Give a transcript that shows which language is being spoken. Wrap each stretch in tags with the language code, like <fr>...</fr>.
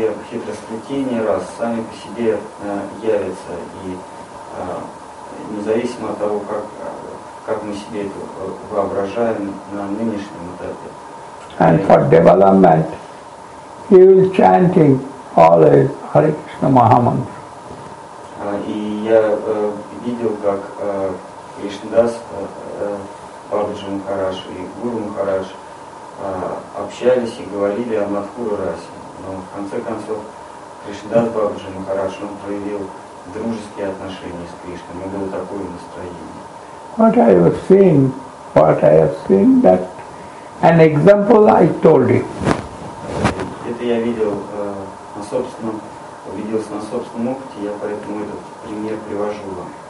<ru>Хитросплетение раз сами по себе явятся, и независимо от того, как мы себе это воображаем на нынешнем этапе.</ru> <en>And for development, he will chanting all the Hare Krishna Mahamantra.</en> <ru>И я видел, как Кришнадас Бабаджи Махарадж и Гуру Махарадж общались и говорили о Мадхура расе. Но в конце концов Кришнадас Бабаджи Махарадж проявил дружеские отношения с Кришной. У него было такое настроение.</ru> <en>What I have seen, that an example I told you.</en> <ru>Это я видел на собственном, убедился на собственном опыте, я поэтому этот пример привожу вам.</ru>